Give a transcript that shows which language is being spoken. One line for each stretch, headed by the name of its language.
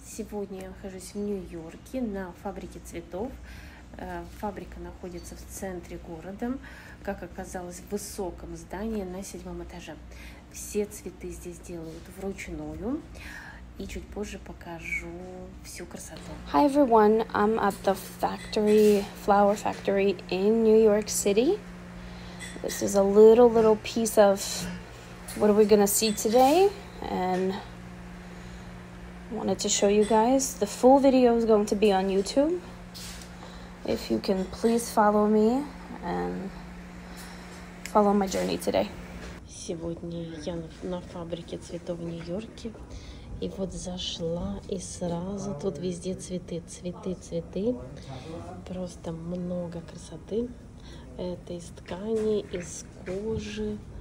Russian: Сегодня я нахожусь в Нью-Йорке на фабрике цветов. Фабрика находится в центре города, как оказалось, в высоком здании на 7-м этаже. Все цветы здесь делают вручную. И чуть позже покажу всю красоту.
English: Hi everyone, I'm at the factory, flower factory in New York City. This is a little piece of what are we gonna see today. And wanted to show you guys. The full video is going to be on YouTube. If you can please follow me and follow my journey today.
Russian: Сегодня я на фабрике цветов в Нью-Йорке. И вот зашла, и сразу тут везде цветы, цветы, цветы. Просто много красоты. Это из ткани, из кожи.